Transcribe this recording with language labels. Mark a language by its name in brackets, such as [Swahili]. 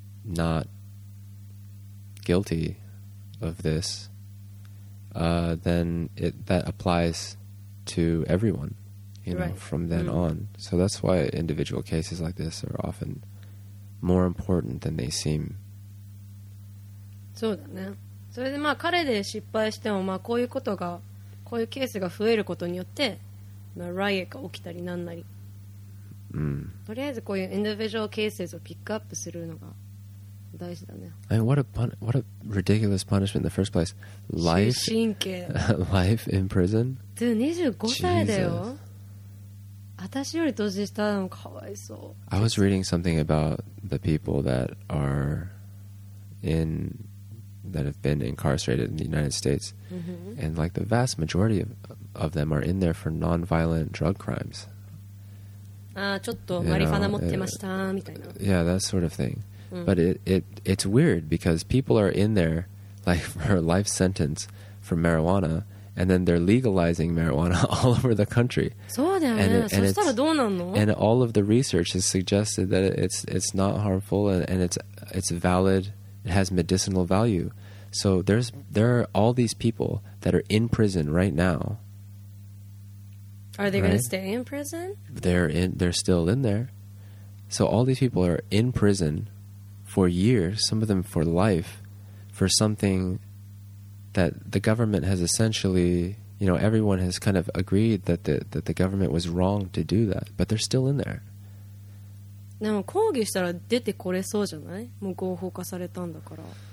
[English] not guilty of this, then that applies to everyone, you know, from then on. So that's why individual cases like this are often more important than they seem. [Japanese] そうだね。それでまあ彼で失敗しても、まあこういうことが、こういうケースが増えることによって、まあ、riot が起きたりなんなり。とりあえずこういう [English] individual cases [Japanese] をピックアップするのが大事だね。 [English] I mean, what a ridiculous punishment in the first place. [Japanese] Life, 終身刑。 [English] Life in prison? [Japanese] Dude, 25歳だよ。私より年下でもかわいそう。 [English] I was reading something about the people that are in... that have been incarcerated in the United States、mm-hmm. and like the vast majority of them are in there for non-violent drug crimes. [Japanese] Ah, ちょっとマリファナ持ってましたみたいな。 [English] Yeah, that sort of thing、mm-hmm. But it's weird because people are in there like for a life sentence for marijuana and then they're legalizing marijuana all over the country. [Japanese] そうだよね。そしたらどうなんの? [English] And all of the research has suggested that it's not harmful and it's validIt has medicinal value. So there are all these people that are in prison right now. Are they going to stay in prison? They're still in there. So all these people are in prison for years, some of them for life, for something that the government has essentially, you know, everyone has kind of agreed that the government was wrong to do that. But they're still in there. [Japanese] でも抗議したら出てこれそうじゃない?もう合法化されたんだから。